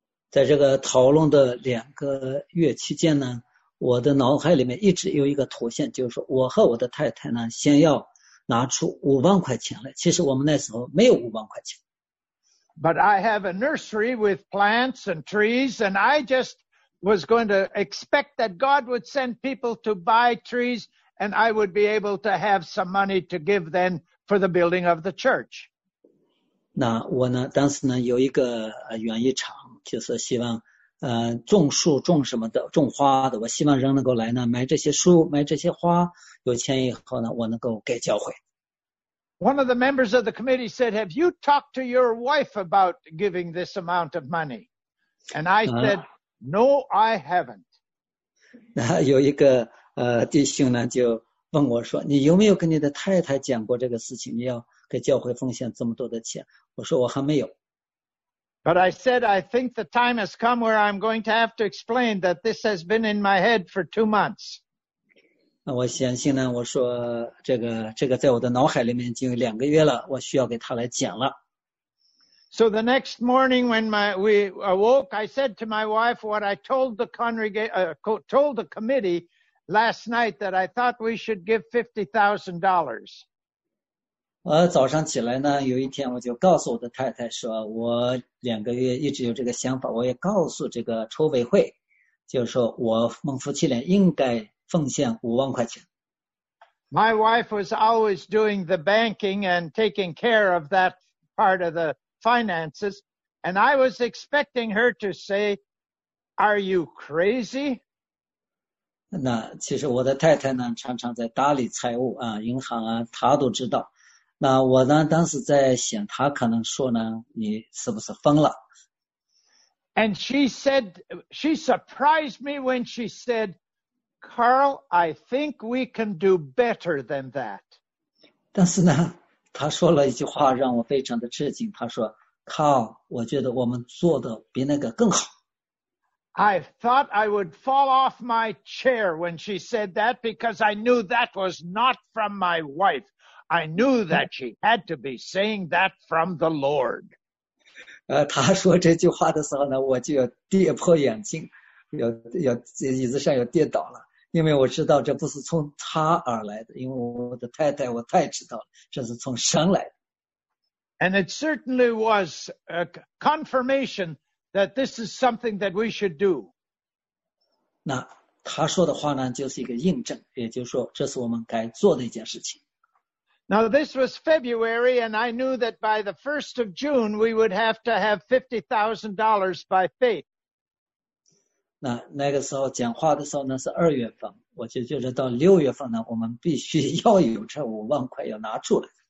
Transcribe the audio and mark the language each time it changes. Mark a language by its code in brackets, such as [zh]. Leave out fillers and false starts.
[zh] 在这个讨论的两个月期间呢，我的脑海里面一直有一个图像，就是说我和我的太太呢，先要拿出$50,000来。其实我们那时候没有$50,000。 [en] But I have a nursery with plants and trees, and I just was going to expect that God would send people to buy trees, and I would be able to have some money to give then for the building of the church. [zh] 那我呢当时呢有一个园艺场就是希望种树种什么的种花的我希望人能够来呢买这些树买这些花有钱以后呢我能够给教会。 [en] One of the members of the committee said, have you talked to your wife about giving this amount of money? And I said, no, I haven't. [zh] 那有一个弟兄呢就问我说你有没有跟你的太太讲过这个事情你要给教会奉献这么多的钱我说我还没有。 [en] But I said, I think the time has come where I'm going to have to explain that this has been in my head for 2 months. [zh] 我相信呢，我说这个在我的脑海里面已经有两个月了，我需要给他来讲了。 [en] So the next morning when we awoke, I said to my wife what I told the told the committee last night that I thought we should give $50,000. [zh] 我早上起来呢，有一天我就告诉我的太太说，我两个月一直有这个想法，我也告诉这个筹委会，就是说我们夫妻俩应该奉献50,000块钱。 [en] My wife was always doing the banking and taking care of that part of the finances, and I was expecting her to say, "Are you crazy?" [zh] 那其实我的太太呢，常常在打理财务啊，银行啊，她都知道。那我呢当时在想他可能说呢你是不是疯了。 [en] And she said, she surprised me when she said, Carl, I think we can do better than that. [zh] 但是呢他说了一句话让我非常的吃惊，他说 Carl, 我觉得我们做的比那个更好。 [en] I thought I would fall off my chair when she said that because I knew that was not from my wife. I knew that she had to be saying that from the Lord. [zh] 他说这句话的时候呢，我就要跌破眼镜，要椅子上要跌倒了，因为我知道这不是从他而来的，因为我的太太我太知道了，这是从神来的。 [en] And it certainly was a confirmation that this is something that we should do. [zh] 那他说的话呢，就是一个印证，也就是说，这是我们该做的一件事情。 [en] Now this was February, and I knew that by the 1st of June, we would have to have $50,000 by faith. [zh] 那个时候讲话的时候呢，是二月份，我就觉得到六月份呢，我们必须要有这50,000块要拿出来。